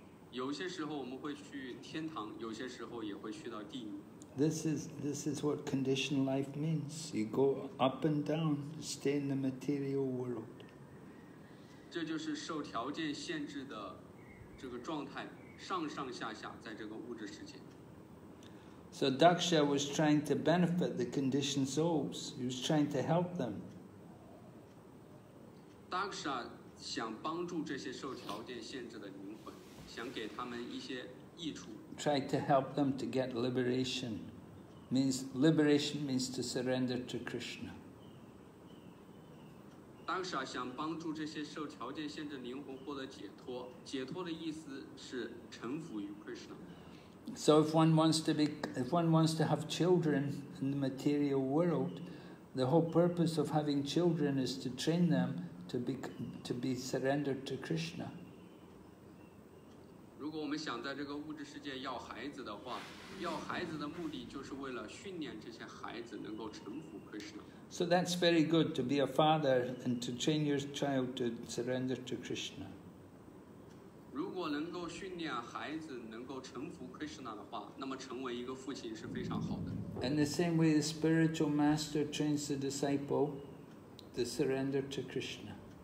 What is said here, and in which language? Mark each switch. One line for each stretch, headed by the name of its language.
Chinese: 有些时候我们会去天堂,
English: this is what conditioned life means. You go up and down, stay in the material world.
Chinese: 这就是受条件限制的, 这个状态上上下下在这个物质世界。
English: So Daksha was trying to benefit the conditioned souls. He was trying to help them.
Chinese: Daksha 想帮助这些受条件限制的灵魂，想给他们一些益处。
English: Try to help them to get liberation. Means liberation means to surrender to Krishna.
Chinese: Daksha 想帮助这些受条件限制灵魂获得解脱。解脱的意思是臣服于 Krishna。
English: So if one wants to have children in the material world, the whole purpose of having children is to train them to be surrendered to Krishna.
Chinese: 如果我们想在这个物质世界要孩子的话，要孩子的目的就是为了训练这些孩子能够臣服 Krishna.
English: So that's very good to be a father and to train your child to surrender to Krishna.
Chinese: 如果能够训练孩子能够臣服 Krishna 的话，那么成为一个父亲是非常好的。
English: In the same way, the spiritual master trains the disciple to surrender to Krishna.